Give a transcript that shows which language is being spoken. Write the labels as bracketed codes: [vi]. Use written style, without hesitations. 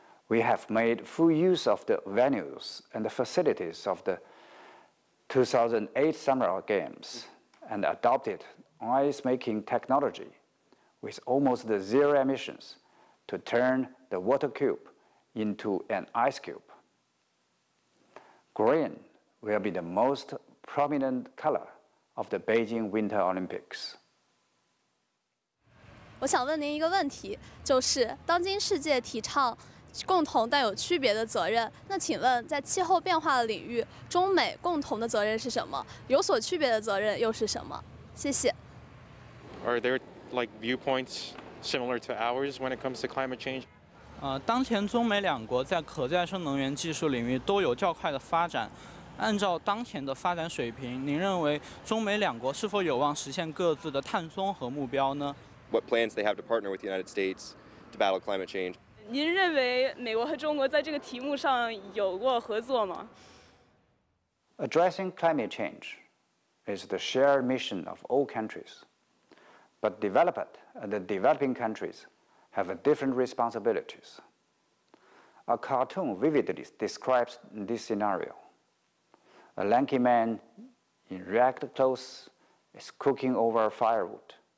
[en] We have made full use of the venues and the facilities of the 2008 Summer Games and adopted ice-making technology with almost zero emissions to turn the water cube into an ice cube. Green will be the most prominent color of the Beijing Winter Olympics. [zh] 我想问您一个问题，就是当今世界提倡共同但有区别的责任，那请问在气候变化的领域，中美共同的责任是什么？有所区别的责任又是什么？谢谢。 [en] Are there like viewpoints similar to ours when it comes to climate change. [zh] 当前中美两国在可再生能源技术领域都有较快的发展。按照当前的发展水平，您认为中美两国是否有望实现各自的碳综合目标呢？ [en] What plans they have to partner with the United States to battle climate change? [zh] 您认为美国和中国在这个题目上有过合作吗？ [en] Addressing climate change is the shared mission of all countries, but developed and the developing countries have different responsibilities. A cartoon vividly describes this scenario. A lanky man in ragged clothes is cooking over firewood.